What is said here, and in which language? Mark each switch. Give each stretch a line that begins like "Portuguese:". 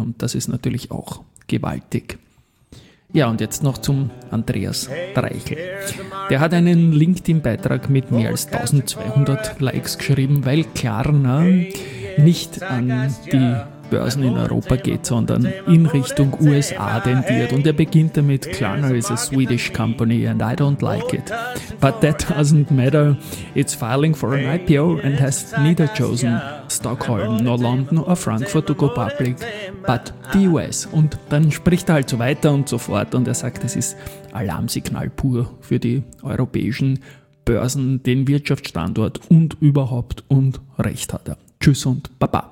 German: Und das ist natürlich auch gewaltig. Ja, und jetzt noch zum Andreas Dreichel. Der hat einen LinkedIn-Beitrag mit mehr als 1200 Likes geschrieben, weil Klarna nicht an die Börsen in Europa geht, sondern in Richtung USA tendiert. Und er beginnt damit,
English: Klarna is a Swedish company and I don't like it. But that doesn't matter. It's filing for an IPO and has neither chosen Stockholm nor London or Frankfurt to go public, but the US.
German: Und dann spricht er halt so weiter und so fort und er sagt, es ist Alarmsignal pur für die europäischen Börsen, den Wirtschaftsstandort und überhaupt, und recht hat er. Tschüss und Baba.